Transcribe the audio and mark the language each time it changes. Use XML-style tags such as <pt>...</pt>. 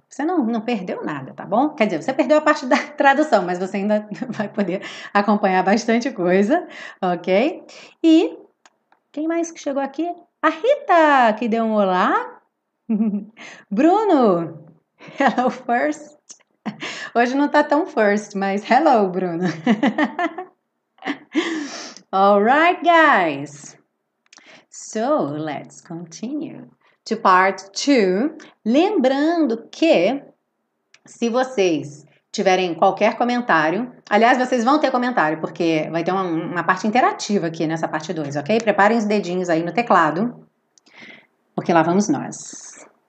<pt>Você não perdeu nada, tá bom? Quer dizer, você perdeu a parte da tradução, mas você ainda vai poder acompanhar bastante coisa, ok? E quem mais que chegou aqui? A Rita, que deu um olá. Bruno,</pt> <en>hello first.</en> <pt>Hoje não tá tão first, mas hello, Bruno.</pt> <en>All right, guys. So, let's continue to part 2.</en> <pt>Lembrando que, se vocês tiverem qualquer comentário, aliás, vocês vão ter comentário, porque vai ter uma parte interativa aqui nessa parte 2, ok? Preparem os dedinhos aí no teclado, porque lá vamos nós.</pt>